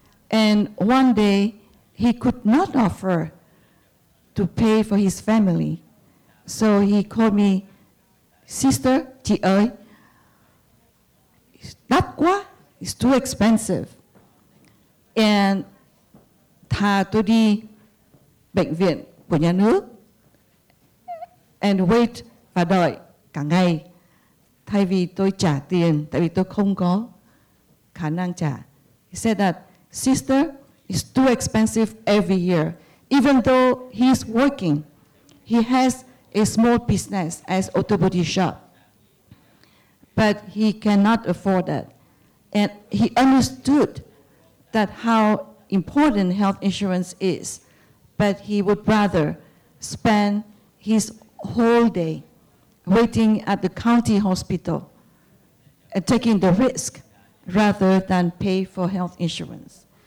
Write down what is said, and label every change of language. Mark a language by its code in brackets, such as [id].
[en] And one day, he could not offer to pay for his family. So he called me, "Sister, Chi ơi, [vi] đắt quá, [en] it's too expensive." [vi] And thà tôi đi bệnh viện của nhà nước [en] and wait [vi] và đợi cả ngày thay vì tôi trả tiền tại vì tôi không có khả năng trả. [en] He said that, "Sister, it's too expensive every year." Even though he's working, he has a small business as auto body shop, but he cannot afford that. And he understood that how important health insurance is, but he would rather spend his whole day waiting at the county hospital and taking the risk rather than pay for health insurance.